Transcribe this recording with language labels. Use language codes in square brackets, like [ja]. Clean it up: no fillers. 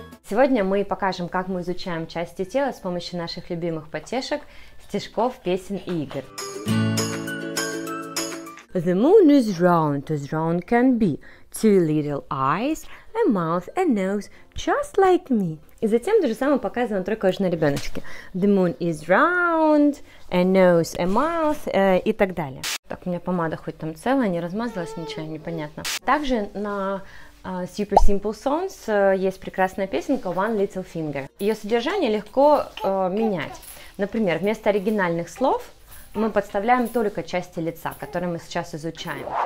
[ru] Сегодня мы покажем, как мы изучаем части тела с помощью наших любимых потешек, стишков, песен и игр. [en] The moon is round, as round can be. Two little eyes, a mouth, a nose, just like me. [ru] И затем то же самое показываем только уже на ребеночке. [en] The moon is round, a nose, a mouth, [ru] и так далее. Так, у меня помада хоть там целая, не размазалась, ничего непонятно. Также на Super Simple Songs есть прекрасная песенка One Little Finger. Ее содержание легко менять. Например, вместо оригинальных слов мы подставляем только части лица, которые мы сейчас изучаем.